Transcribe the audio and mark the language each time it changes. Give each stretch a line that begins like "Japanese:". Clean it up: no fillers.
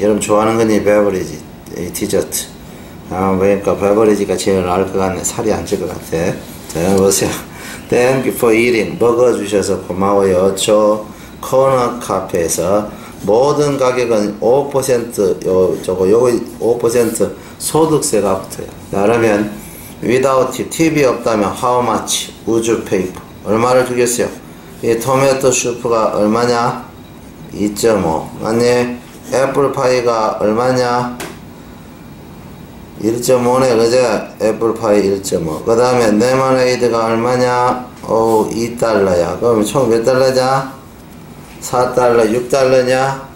Korean: 여러분 좋아하는 거니, 베버리지. 디저트. 아, 그러니까 베버리지가 제일 나을 것 같네. 살이 안 찔 것 같아. 자, 보세요.
English: Thank you for eating.
Korean: 먹어주셔서 고마워요. 저 코너 카페에서 모든 가격은 5% 요, 저거, 요거 5% 소득세 각도야.
English: 그러면 without tip,
Korean: TV 없다면
English: how much would you pay for?
Korean: 얼마를 주겠어요? 이 토마토 슈프가 얼마냐? 2.5. 아니, 애플파이가 얼마냐? 1.5네, 그제? 애플파이 1.5. 그 다음에, 레모네이드가 얼마냐? 어우, 2달러야. 그럼 총 몇 달러냐? 4달러, 6달러냐?